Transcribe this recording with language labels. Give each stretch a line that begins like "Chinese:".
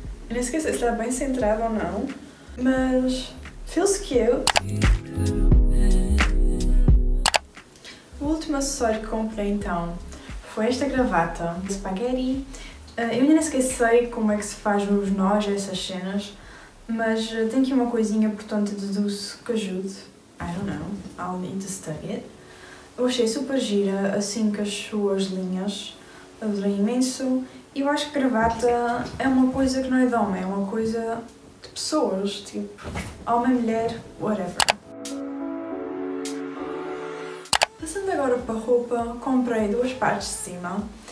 Portuguese: Eu não sei se está bem centrado ou não, mas feels cute. O último acessório que comprei então foi esta gravata de spaghetti. Eu ainda não esqueci como é que se faz os nós, essas cenas, mas tem aqui uma coisinha, portanto deduzo que ajude.
English: I don't know, I'll need to study it.
Portuguese: Eu achei super gira, assim com as suas linhas. Adorei imenso. E eu acho que gravata é uma coisa que não é de homem, é uma coisa de pessoas, tipo, homem, mulher, whatever. Passando agora para a roupa, comprei duas partes de cima.